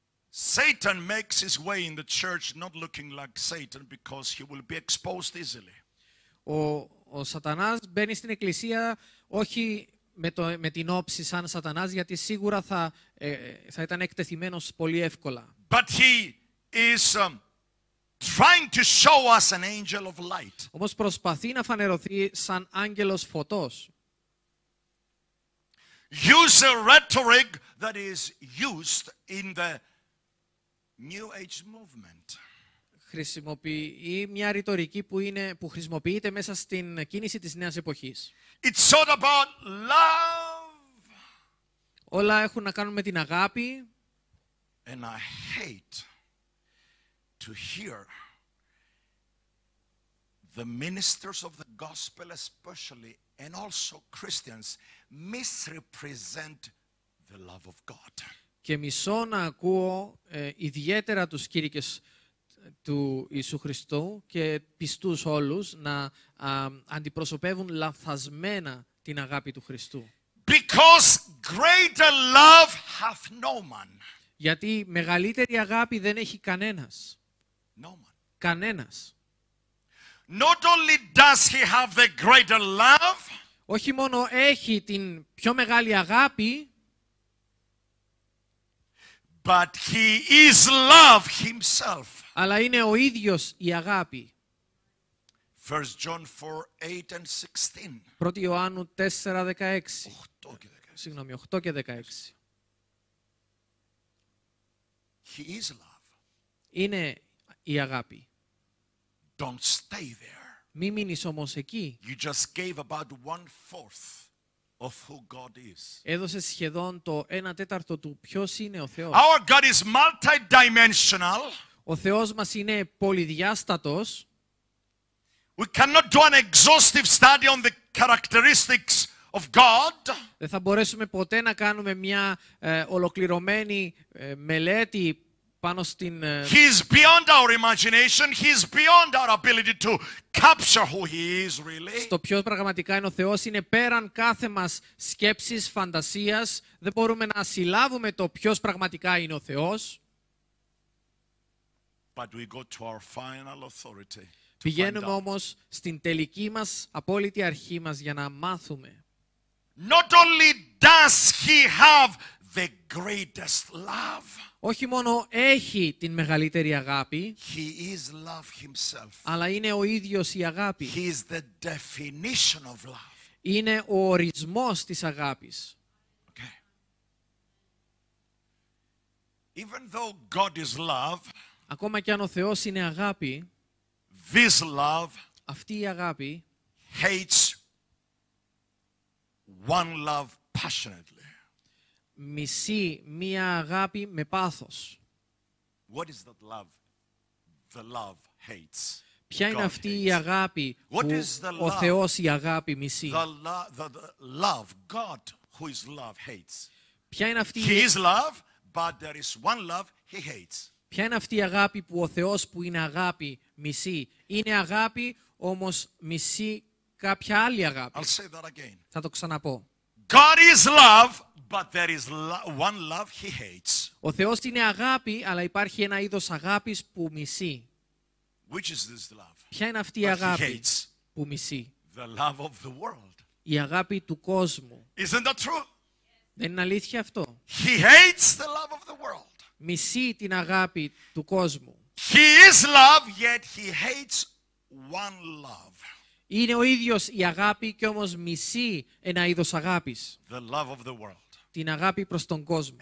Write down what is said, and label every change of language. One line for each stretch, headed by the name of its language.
English: Satan makes his way in the church not looking like Satan because he will be exposed easily.
Greek: Ο Σατανάς μπαίνει στην εκκλησία όχι με την όψη σαν Σατανάς, γιατί σίγουρα θα ήταν εκτεθειμένος πολύ εύκολα.
English: But he is trying to show us an angel of light.
Greek: Όμως προσπαθεί να φανερωθεί σαν άγγελος φωτός.
English: Use a rhetoric that is used in the New Age movement.
Greek: Χρησιμοποιεί μια ρητορική που χρησιμοποιείται μέσα στην κίνηση της νέας εποχής.
English: It's all about love.
Greek: Όλα έχουν να κάνουν με την αγάπη.
English: And I hate to hear the ministers of the gospel especially and also Christians misrepresent the love of God.
Greek: Και μισώ να ακούω ιδιαίτερα τους κήρυκες του Ιησού Χριστού και πιστούς όλους να αντιπροσωπεύουν λανθασμένα την αγάπη του Χριστού.
English: Because greater love hath no man.
Greek: Γιατί μεγαλύτερη αγάπη δεν έχει κανένας.
English: No man.
Greek: Κανένας.
English: Not only does he have the greater love,
Greek: όχι μόνο έχει την πιο μεγάλη αγάπη,
English: but he is love himself.
Greek: Αλλά είναι ο ίδιος η αγάπη.
English: 1 John 4, 8 and 16.
Greek: 1 Ιωάννου 4, 16. 8 και 16. Συγγνώμη, 8 και 16.
English: He is love.
Greek: Είναι η αγάπη.
English: Don't stay there.
Greek: Μη μείνεις όμως εκεί.
English: You just gave about one fourth of who God is.
Greek: Έδωσες σχεδόν το 1 τέταρτο του ποιος είναι ο Θεός.
English: Our God is multidimensional.
Greek: Ο Θεός μας είναι πολυδιάστατος.
English: We cannot do an exhaustive study on the characteristics of God.
Greek: Δεν θα μπορέσουμε ποτέ να κάνουμε μια ολοκληρωμένη μελέτη πάνω στην.
English: He is beyond our imagination. He is beyond our ability to capture who He is really.
Greek: Στο ποιος πραγματικά είναι ο Θεός είναι πέραν κάθε μας σκέψης, φαντασίας. Δεν μπορούμε να συλλάβουμε το ποιος πραγματικά είναι ο Θεός.
English: But we go to our final authority.
Greek: Πηγαίνουμε όμως στην τελική μας απόλυτη αρχή μας για να μάθουμε.
English: Not only does he have the greatest love.
Greek: Όχι μόνο έχει την μεγαλύτερη αγάπη.
English: He is love himself.
Greek: Αλλά είναι ο ίδιος η αγάπη.
English: He is the definition of love.
Greek: Είναι ο ορισμός της αγάπης.
English: Okay. Even though God is love.
Greek: Ακόμα και αν ο Θεός είναι αγάπη.
English: This love,
Greek: αυτή η αγάπη,
English: hates one love passionately.
Greek: Μισή μία αγάπη με πάθος.
English: What is that love? The love hates.
Greek: Ποια είναι αυτή η αγάπη που ο Θεός η αγάπη μισή?
English: The love, God, who is love, hates.
Greek: Ποια είναι αυτή?
English: He is love, but there is one love he hates.
Greek: Ποια είναι αυτή η αγάπη που ο Θεός που είναι αγάπη μισεί? Είναι αγάπη, όμως μισεί κάποια άλλη αγάπη.
English: I'll say that again.
Greek: Θα το ξαναπώ.
English: God is love, but there is one love he hates.
Greek: Ο Θεός είναι αγάπη, αλλά υπάρχει ένα είδος αγάπης που μισεί.
English: Which is this love?
Greek: Ποια είναι αυτή η αγάπη
English: he hates
Greek: που μισεί?
English: The love of the world.
Greek: Η αγάπη του κόσμου.
English: Isn't that true?
Greek: Δεν είναι αλήθεια αυτό?
English: He hates the love of the world.
Greek: Μισεί την αγάπη του κόσμου.
English: He is love, yet he hates one love.
Greek: Είναι ο ίδιος η αγάπη και όμως μισεί ένα είδος αγάπης.
English: The love of the world.
Greek: Την αγάπη προς τον κόσμο.